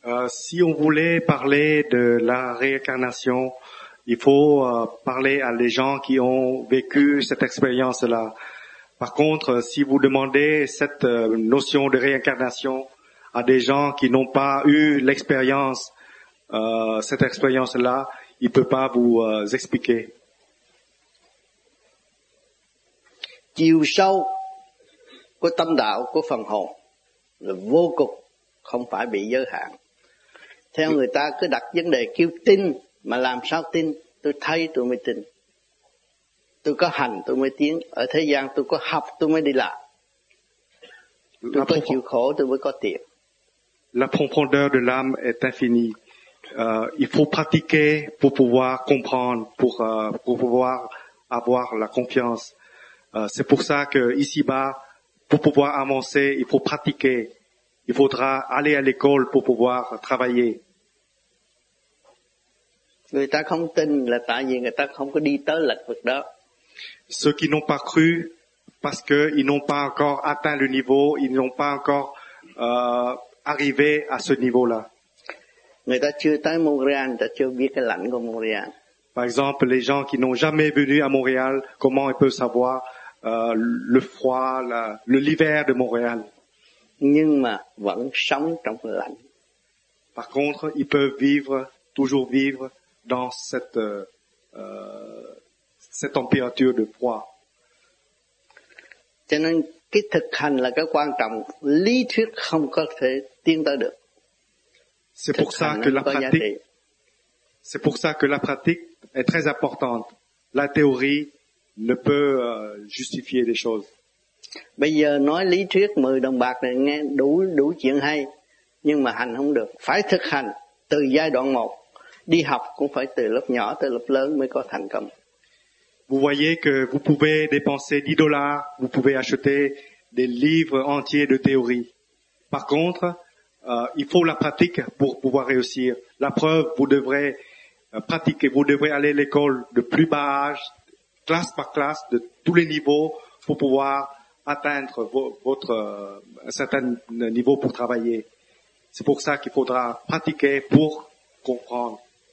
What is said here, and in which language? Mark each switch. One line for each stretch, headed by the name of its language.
French: Si on voulait parler de la réincarnation, il faut parler à les gens qui ont vécu cette expérience là. Par contre, si vous demandez cette notion de réincarnation à des gens qui n'ont pas eu l'expérience, cette expérience-là, ils ne peuvent pas vous expliquer.
Vietnamese: Chiều sâu của tâm đạo của phần hồn là vô cùng, không phải bị giới hạn. Theo người ta cứ đặt vấn đề kêu tin, mà làm sao tin? Tôi thấy tôi mới tin. Tôi có hành tôi mới tiến, ở thế gian tôi có học tôi mới đi lại. Tôi có chịu khổ tôi mới có tiền.
French: La profondeur de l'âme est infinie. Il faut pratiquer pour pouvoir comprendre, pour pouvoir avoir la confiance. C'est pour ça que ici-bas, pour pouvoir avancer, il faut pratiquer. Il faudra aller à l'école pour pouvoir travailler.
Vietnamese: Người ta không tin là tại vì người ta không có đi tới lĩnh vực đó.
French: Ceux qui n'ont pas cru parce qu'ils n'ont pas encore atteint le niveau, ils n'ont pas encore arrivé à ce niveau-là.
Vietnamese: Người ta chưa tới Montréal, người ta chưa biết cái lạnh của Montréal.
French: Par exemple, les gens qui n'ont jamais venu à Montréal, comment ils peuvent savoir le froid, l'hiver de Montréal?
Vietnamese: Nhưng mà vẫn sống trong lạnh.
French: Par contre, ils peuvent vivre, toujours vivre dans cette cette température de froid.
Vietnamese: Cho nên cái thực hành là cái quan trọng, lý thuyết không có thể tiến tới được.
French: C'est pour ça que la pratique. C'est pour ça que la pratique est très importante. La théorie ne peut justifier les choses.
Vietnamese: Bây giờ nói lý thuyết 10 đồng bạc này nghe đủ chuyện hay, nhưng mà hành không được, phải thực hành từ giai đoạn 1, đi học cũng phải từ lớp nhỏ tới lớp lớn mới có thành công.
French: Vous voyez que vous pouvez dépenser 10 dollars, vous pouvez acheter des livres entiers de théorie. Par contre, il faut la pratique pour pouvoir réussir. La preuve, vous devrez pratiquer, vous devrez aller à l'école de plus bas âge, classe par classe, de tous les niveaux, pour pouvoir atteindre un certain niveau pour travailler. C'est pour ça qu'il faudra pratiquer pour comprendre.